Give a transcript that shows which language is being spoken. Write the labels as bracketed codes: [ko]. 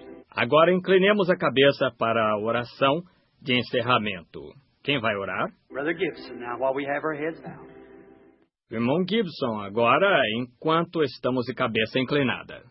[pt] Agora inclinemos a cabeça para a oração de encerramento. Quem vai orar? [en] Brother Gibson, now while we have our heads down. [pt] Irmão Gibson, agora enquanto estamos de cabeça inclinada.